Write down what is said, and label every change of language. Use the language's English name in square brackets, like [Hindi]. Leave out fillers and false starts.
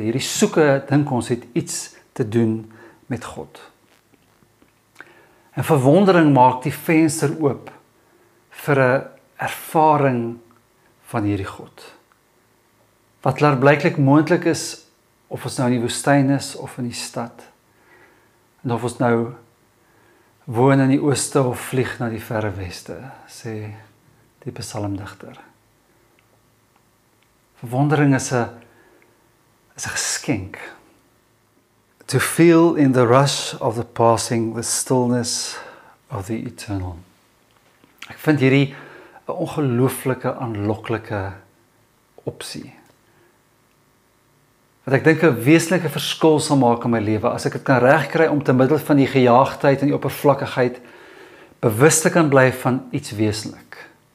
[Afrikaans] Hierdie soeke, dink ons, het iets te doen met God. En verwondering maak die venster oop vir 'n ervaring van hierdie God. Wat klaarblyklik moontlik is, of ons nou in die woestyn is of in die stad. En of ons nou woon in die ooste of vlieg na die verre weste, sê die psalmdigter. Verwondering is 'n geskenk. [English] To feel in the rush of the passing the stillness of the eternal. [Afrikaans] Ek vind hierdie 'n ongelooflike, aanloklike opsie. Wat ek dink 'n wesentlike verskil sal maak in my lewe, as ek dit kan regkry om te middel van die gejaagdheid en die oppervlakkigheid bewus te kan bly van iets wesentlik.